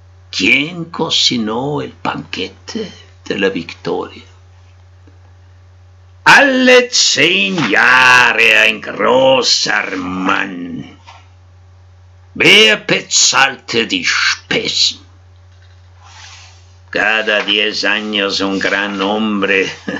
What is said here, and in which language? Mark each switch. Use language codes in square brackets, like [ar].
[es] ¿Quién cocinó el banquete de la victoria? [de] Alle 10 Jahre ein großer Mann. Wer bezahlte die Spesen? [es] Cada 10 años un gran hombre.